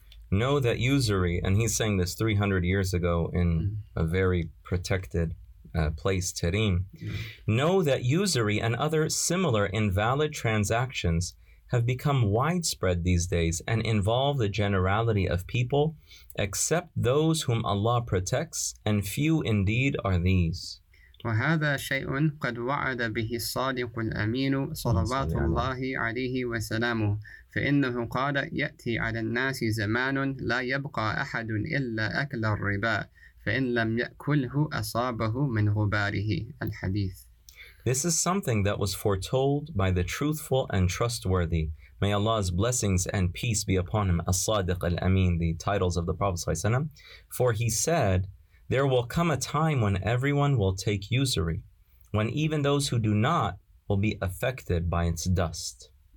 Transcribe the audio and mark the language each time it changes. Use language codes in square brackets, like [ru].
[en] Know that usury, and he's saying this 300 years ago in a very protected place, Tarim. Know that usury and other similar invalid transactions have become widespread these days and involve the generality of people, except those whom Allah protects, and few indeed are these. [ar] وهذا شيء قد وعد به الصادق الأمين صلوات الله عليه وسلامه فإنه قال يأتي على الناس زمان لا يبقى أحد إلا أكل الربا فإن لم يأكله أصابه من غباره الحديث. [en] This is something that was foretold by the truthful and trustworthy. May Allah's blessings and peace be upon him, As-Sadiq al-Amin, the titles of the Prophet ﷺ. For he said, there will come a time when everyone will take usury, when even those who do not will be affected by its dust.